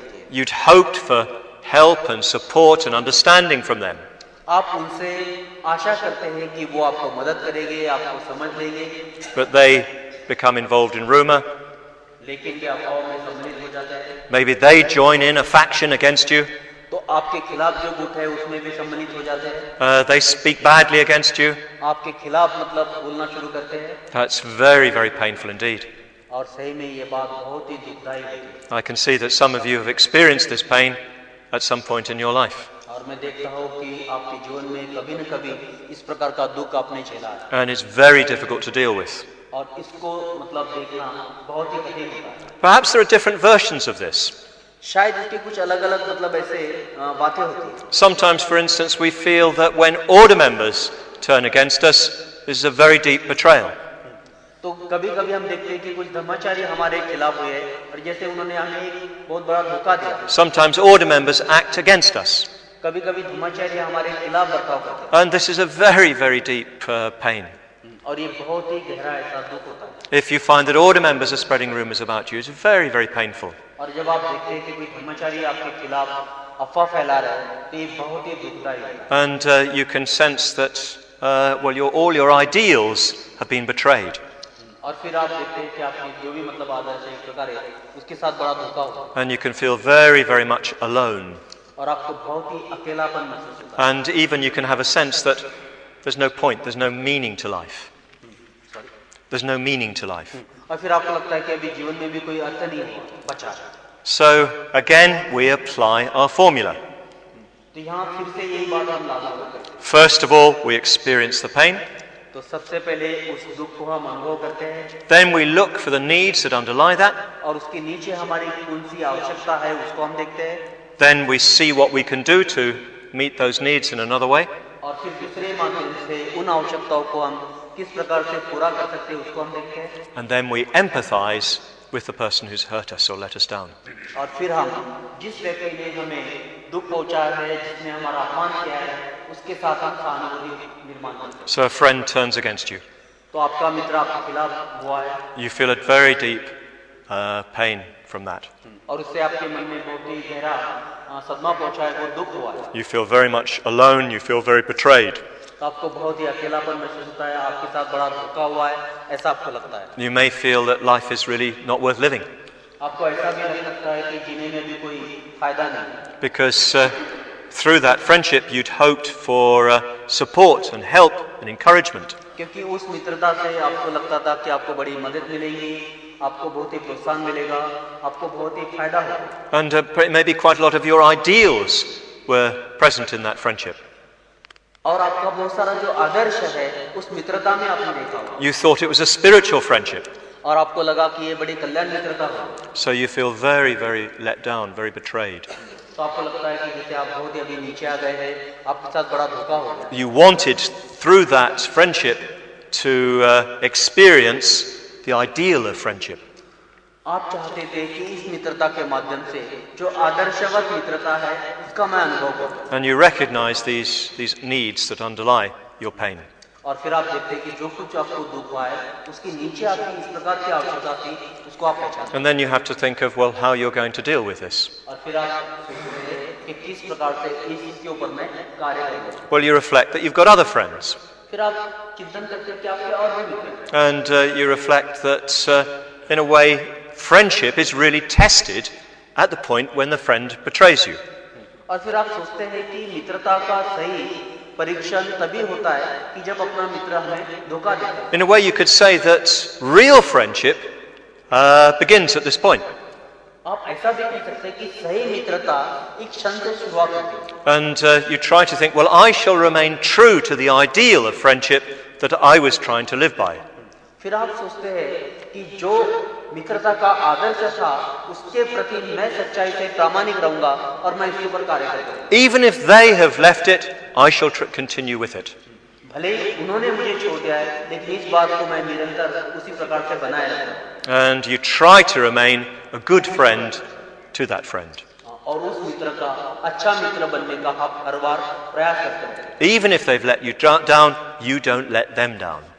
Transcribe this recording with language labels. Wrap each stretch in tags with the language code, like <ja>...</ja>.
<en>You'd hoped for help and support and understanding from them.</en> <hi>आप उनसे आशा करते हैं कि वो आपको मदद करेंगे, आपको समझ लेंगे.</hi> <en>But they become involved in rumor.</en> <hi>लेकिन क्या आप उनमें सम्मिलित हो जाते हैं?</hi> <en>Maybe they join in a faction against you.</en> <hi>तो आपके खिलाफ जो गुट है उसमें भी सम्मिलित हो जाते हैं?</hi> <en>They speak badly against you.</en> <hi>आपके खिलाफ मतलब बोलना शुरू करते हैं?</hi> <en>That's very, very painful indeed.</en> <hi>और सही में ये बात बहुत ही दुखदायी है.</hi> <en>I can see that some of you have experienced this pain at some point in your life.</en> <hi>और मैं देखता हूँ कि आपके जीवन में कभी न कभी इस प्रकार का दुख आपने झेला है.</hi> <en>And it's very difficult to deal with.</en> <hi>और इसको मतलब देखना बहुत ही कठिन है.</hi> <en>Perhaps there are different versions of this.</en> <hi>शायद इसके कुछ अलग-अलग मतलब ऐसे बातें होती.</hi> <en>Sometimes, for instance, we feel that when order members turn against us, this is a very deep betrayal.</en> <hi>तो कभी-कभी हम देखते हैं कि कुछ धर्माचारी हमारे खिलाफ हुए और जैसे उन्होंने हमें बहुत बड़ा धोखा दिया.</hi> <en>Sometimes order members act against us.</en> <hi>कभी-कभी धर्माचारी हमारे खिलाफ बर्ताव करते हैं.</hi> <en>And this is a very, very deep pain.</en> <hi>और ये बहुत ही गहरा ऐसा दुख होता है.</hi> <en>If you find that order members are spreading rumors about you, it's very, very painful.</en> <hi>और जब आप देखते हैं कि कोई धर्माचारी आपके खिलाफ अफवाह फैला रहा है, तो ये बहुत ही दुखदायी है.</hi> <en>And you can sense that all your ideals have been betrayed.</en> <hi>और फिर आप देखते हैं कि आपके जो भी मतलब आदर्श है, प्रकार है, उसके साथ बड़ा धोखा होता है.</hi> <en>And you can feel very, very much alone.</en> <hi>और आपको बहुत ही अकेलापन महसूस होता है.</hi> <en>And even you can have a sense that there's no point, there's no meaning to life. There's no meaning to life.</en> <hi>और फिर आपको लगता है कि अभी जीवन में भी कोई अर्थ नहीं बचा.</hi> <en>So again, we apply our formula.</en> <hi>तो यहाँ फिर से यही बात हम लागू करते हैं.</hi> <en>First of all, we experience the pain.</en> <hi>तो सबसे पहले उस दुख को हम अनुभव करते हैं.</hi> <en>Then we look for the needs that underlie that.</en> <hi>और उसके नीचे हमारी कौन सी आवश्यकता है उसको हम देखते हैं.</hi> <en>Then we see what we can do to meet those needs in another way.</en> <hi>और फिर दूसरे माध्यम से उन आवश्यकताओं को हम किस प्रकार से पूरा कर सकते हैं उसको हम देखते हैं.</hi> <en>And then we empathize with the person who's hurt us or let us down.</en> <hi>और फिर हम जिस व्यक्ति ने हमें दुख पहुंचाया है, जिसने हमारा अपमान किया है, उसके साथ हम सहानुभूति निर्माण करते हैं.</hi> <en>So a friend turns against you.</en> <hi>तो आपका मित्र आपके खिलाफ हुआ है.</hi> <en>You feel a very deep pain from that.</en> <hi>और उससे आपके मन में बहुत ही गहरा सदमा पहुंचा है, बहुत दुख हुआ है.</hi> <en>You feel very much alone, you feel very betrayed.</en> <hi>आपको बहुत ही अकेलापन महसूस होता है, आपके साथ बड़ा धोखा हुआ है, ऐसा आपको लगता है.</hi> <en>You may feel that life is really not worth living.</en> <hi>आपको ऐसा भी लगने लगता है कि जीने में भी कोई फायदा नहीं.</hi> <en>Because through that friendship you'd hoped for support and help and encouragement.</en> <hi>क्योंकि उस मित्रता से आपको लगता था कि आपको बड़ी मदद मिलेगी, आपको बहुत ही प्रोत्साहन मिलेगा, आपको बहुत ही फायदा होगा.</hi> <en>And maybe quite a lot of your ideals were present in that friendship.</en> <hi>और आपका बहुत सारा जो आदर्श है उस मित्रता में आपने देखा होगा.</hi> <en>You thought it was a spiritual friendship.</en> <hi>और आपको लगा कि ये बड़ी कल्याण मित्रता है.</hi> <en>So you feel very, very let down, very betrayed.</en> <hi>तो आपको लगता है कि जैसे आप बहुत ही अभी नीचे आ गए हैं, आपके साथ बड़ा धोखा हो गया.</hi> <en>You wanted through that friendship to experience the ideal of friendship.</en> <hi>आप चाहते थे कि इस मित्रता के माध्यम से जो आदर्शवत मित्रता है उसका मैं अनुभव करूं.</hi> <en>And you recognize these needs that underlie your pain.</en> <hi>और फिर आप देखते कि जो कुछ आपको दुख हुआ है उसके नीचे आपकी इस प्रकार की आवश्यकता थी उसको आप पहचानते हैं.</hi> <en>And then you have to think of, well, how you're going to deal with this.</en> <hi>और फिर आप सोचते हैं कि किस प्रकार से इस इसके ऊपर मैं कार्य करूंगा.</hi> <en>Well, you reflect that you've got other friends.</en> <hi>फिर आप चिंतन करते हैं कि आपके और भी मित्र.</hi> <en>And you reflect that in a way friendship is really tested at the point when the friend betrays you.</en> <hi>और फिर आप सोचते हैं कि मित्रता का सही परीक्षण तभी होता है कि जब अपना मित्र हमें धोखा देता है.</hi> <en>In a way you could say that real friendship begins at this point.</en> <hi>आप ऐसा भी कह सकते हैं कि सही मित्रता एक क्षण से शुरुआत होती है.</hi> <en>And you try to think, well, I shall remain true to the ideal of friendship that I was trying to live by.</en> <hi>फिर आप सोचते हैं कि जो मित्रता का आदर्श था उसके प्रति मैं सच्चाई से प्रामाणिक रहूंगा और मैं इसके ऊपर कार्य करूंगा.</hi> <en>Even if they have left it, I shall continue with it.</en> <hi>भले उन्होंने मुझे छोड़ दिया है लेकिन इस बात को मैं निरंतर उसी प्रकार से बनाए रखूंगा.</hi> <en>And you try to remain a good friend to that friend.</en> <hi>और उस मित्र का अच्छा मित्र बनने का आप हर बार प्रयास करते हैं.</hi> <en>Even if they've let you down, you don't let them down.</en>